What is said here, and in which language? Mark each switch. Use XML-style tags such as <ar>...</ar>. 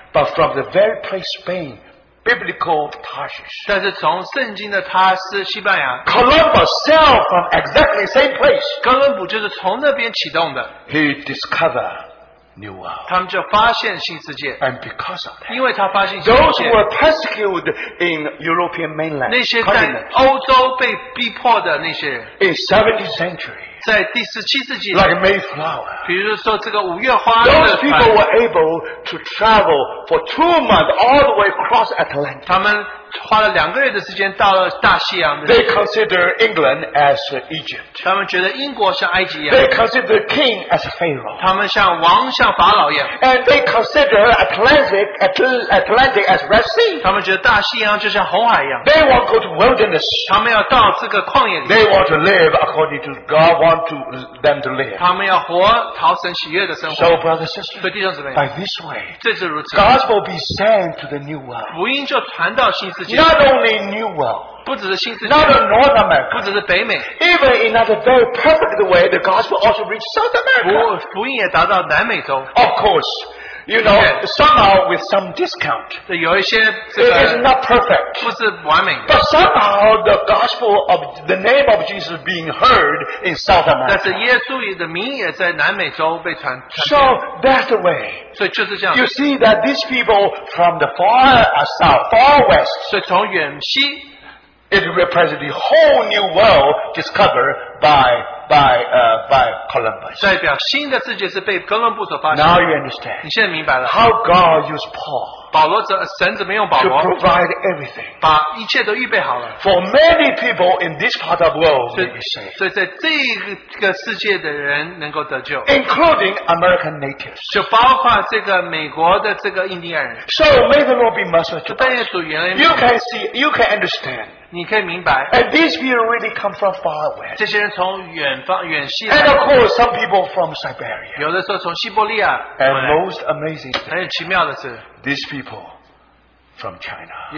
<en>but from the very place Spain, biblical Tarshish.</en> <zh>但是从圣经的他是西班牙,</zh> <en>Columbus sailed from exactly the same place.</en> <zh>哥伦布就是从那边启动的,</zh> <en>he discovered new world.</en> <zh>他们就发现新世界,</zh> <en>and because of that,</en> <zh>因为他发现新世界,</zh> <en>those who were persecuted in European mainland,</en> <zh>那些在欧洲被逼迫的那些人,</zh> <en>in 17th century,</en> <zh>在第17世纪,</zh> <en>like Mayflower,</en> <zh>比如说这个五月花,</zh> <en>those people were able to travel for 2 months all the way across Atlantic.</en> <zh>他们花了2个月的时间到了大西洋,</zh> <en>they consider England as Egypt.</en> <zh>他们觉得英国像埃及一样,</zh> <en>they consider the king as Pharaoh.</en> <zh>他们像王像法老一样,</zh> <en>and they consider Atlantic as Red Sea.</en> <zh>他们觉得大西洋就像红海一样,</zh> <en>they want to go to wilderness.</en> <zh>他们要到这个旷野里,</zh> <en>they want to live according to God want to them to live.</en> <zh>他们要活讨神喜悦的生活.</zh> <en>So brothers and sisters,</en> <zh>所以弟兄姊妹,</zh> <en>by this way,</en> <zh>这是如此,</zh> <en>gospel be sent to the new world.</en> <zh>福音就传到新世界,</zh> <en>not only new world,</en> <zh>不只是新世界,</zh> <en>not only North America,</en> <zh>不只是北美,</zh> <en>even in a very perfect way, the gospel also reached South America.</en> <zh>福音也达到南美洲.</zh> <en>Of course, you know, somehow with some discount,</en> <zh>有一些这个,</zh> <en>it is not perfect,</en> <zh>不是完美的,</zh> <en>but somehow the gospel of the name of Jesus being heard in South America.</en> <zh>但是耶稣的名也在南美洲被传,</zh> <en>so that's the way.</en> <zh>所以就是这样,</zh> <en>you see that these people from the far south, far west,</en> <zh>所以从远西,</zh> <en>it represents the whole new world discovered by Columbus.</en> <zh>代表新的世界是被哥伦布所发现的。</zh> <en>Now you understand.</en> <zh>你现在明白了。</zh> <en>How God used Paul.</en> <zh>保罗神怎么用保罗,</zh> <en>to provide everything.</en> <zh>把一切都预备好了。</zh> <en>For many people in this part of the world to be saved.</en> <zh>所以在这个世界的人能够得救。</zh> <en>Including American natives.</en> <zh>就包括这个美国的这个印第安人。</zh> <en>So may the Lord be merciful to us. You can see, you can understand.</en> <zh>你可以明白,</zh> <en>and these people really come from far away.</en> <zh>这些人从远方远西来,</zh> <en>and of course, some people from Siberia.</en> <zh>有的时候从西伯利亚,</zh> <en>and most amazing,</en> <zh>很奇妙的是,</zh> <en>these people from China.</en>